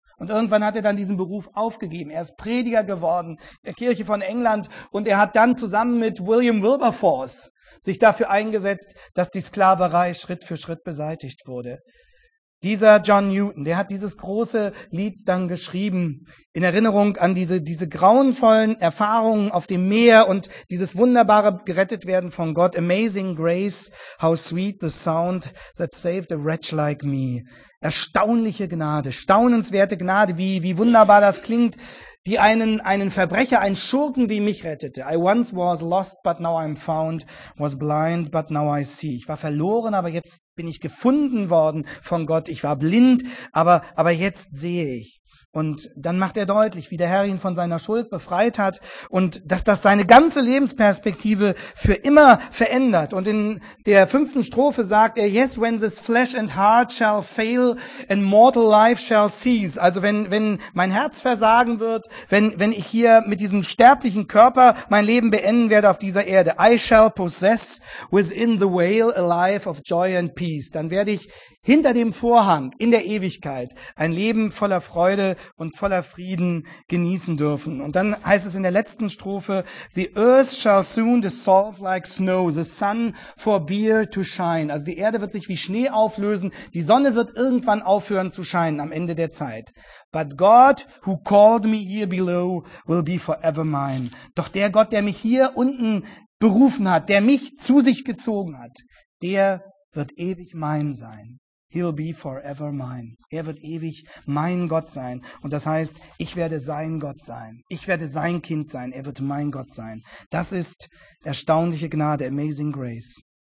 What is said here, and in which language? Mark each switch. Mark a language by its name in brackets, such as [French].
[German] Und irgendwann hat er dann diesen Beruf aufgegeben. Er ist Prediger geworden, der Kirche von England, und er hat dann zusammen mit William Wilberforce sich dafür eingesetzt, dass die Sklaverei Schritt für Schritt beseitigt wurde. Dieser John Newton, der hat dieses große Lied dann geschrieben, in Erinnerung an diese grauenvollen Erfahrungen auf dem Meer und dieses wunderbare gerettet werden von Gott. [English] Amazing Grace, how sweet the sound that saved a wretch like me. [German] Erstaunliche Gnade, staunenswerte Gnade, wie wunderbar das klingt, die einen Verbrecher, einen Schurken wie mich rettete. [English] I once was lost, but now I'm found, was blind, but now I see. [German] Ich war verloren, aber jetzt bin ich gefunden worden von Gott. Ich war blind, aber jetzt sehe ich. Und dann macht er deutlich, wie der Herr ihn von seiner Schuld befreit hat und dass das seine ganze Lebensperspektive für immer verändert. Und in der 5. Strophe sagt er, [English] yes, when this flesh and heart shall fail and mortal life shall cease. [German] Also wenn mein Herz versagen wird, wenn ich hier mit diesem sterblichen Körper mein Leben beenden werde auf dieser Erde, [English] I shall possess within the veil a life of joy and peace. [German] Dann werde ich hinter dem Vorhang in der Ewigkeit ein Leben voller Freude und voller Frieden genießen dürfen. Und dann heißt es in der letzten Strophe, [English] the earth shall soon dissolve like snow, the sun forbear to shine. [German] Also die Erde wird sich wie Schnee auflösen, die Sonne wird irgendwann aufhören zu scheinen am Ende der Zeit. [English] But God who called me here below will be forever mine. [German] Doch der Gott, der mich hier unten berufen hat, der mich zu sich gezogen hat, der wird ewig mein sein. [English] He'll be forever mine. [German] Er wird ewig mein Gott sein. Und das heißt, ich werde sein Gott sein. Ich werde sein Kind sein. Er wird mein Gott sein. Das ist erstaunliche Gnade, amazing grace.